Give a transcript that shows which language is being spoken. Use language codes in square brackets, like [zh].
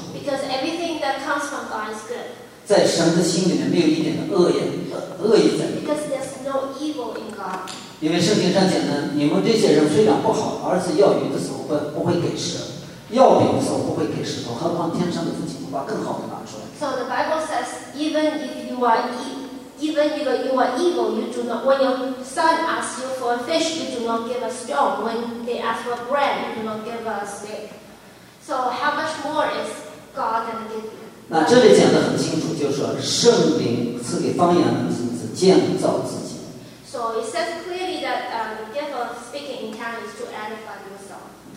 [en] Because everything that comes from God is good. [zh] 在神的心里面没有一点的恶意在里面。 [en] Because there's no evil in God. [zh] 因为圣经上讲呢，你们这些人虽然不好，而是要鱼的时候不会给蛇，要饼的时候不会给石头，何况天上的父亲会把更好的拿出来。 [en] So the Bible says, even if you are evil, you do not. When your son asks you for a fish, you do not give a stone. When they ask for bread, you do not give a stick. So how much more is God going to give you? [zh] 那这里讲得很清楚，就是说圣灵赐给方言的恩赐建造自己。 [en] So it says clearly that the gift of speaking in tongues is to edify yourself.